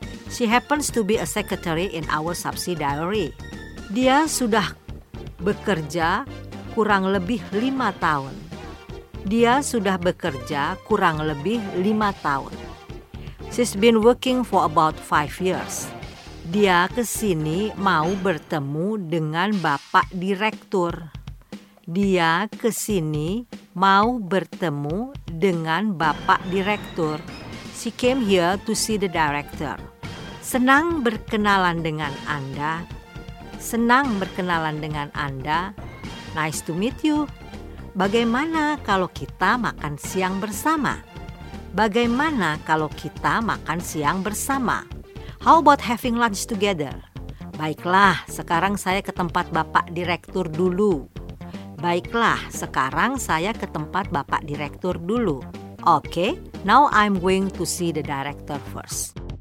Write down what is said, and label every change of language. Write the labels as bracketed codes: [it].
[en] She happens to be a secretary in our subsidiary. [id] Dia sudah bekerja kurang lebih 5 tahun. Dia sudah bekerja kurang lebih 5 tahun. [en] She's been working for about 5 years. [id] Dia kesini mau bertemu dengan Bapak Direktur. Dia kesini mau bertemu dengan Bapak Direktur. [en] She came here to see the director. [id] Senang berkenalan dengan Anda. Senang berkenalan dengan Anda. [en] Nice to meet you. [id] Bagaimana kalau kita makan siang bersama? Bagaimana kalau kita makan siang bersama? [en] How about having lunch together? [id] Baiklah, sekarang saya ke tempat Bapak Direktur dulu. Baiklah, sekarang saya ke tempat Bapak Direktur dulu. [en] Okay, now I'm going to see the director first.